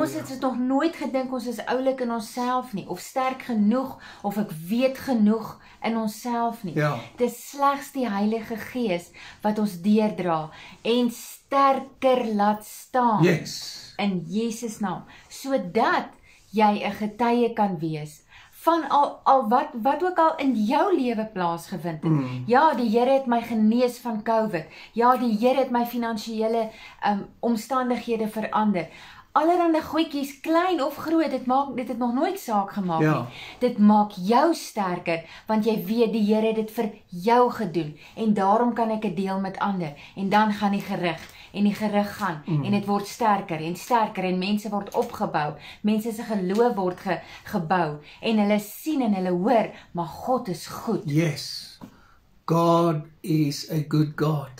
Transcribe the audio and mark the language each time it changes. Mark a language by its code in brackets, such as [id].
[af] Ons het dit nog nooit gedink ons is oulik in onsself nie of sterk genoeg of ek weet genoeg in onsself nie. Ja. Dis slegs die Heilige Gees wat ons deurdra en sterker laat staan. [en] Yes. [af] In Jesus naam, sodat jy 'n getuie kan wees. Van al wat ook al in jou lewe plaasgevind het. Mm. Ja, die Here het my genees van COVID. Ja, die Here het my finansiële omstandighede verander. Allerhande goedjies, klein of groot, dit het nog nooit saak gemaak ja. nie. Dit maak jou sterker, want jy weet die Here het dit vir jou gedoen. En daarom kan ek het deel met ander. En dan gaan die gerug gaan. Mm. En het word sterker en mense word opgebou. Mense se geloof word gebou. En hulle sien en hulle hoor, maar God is goed. [en] Yes, God is a good God.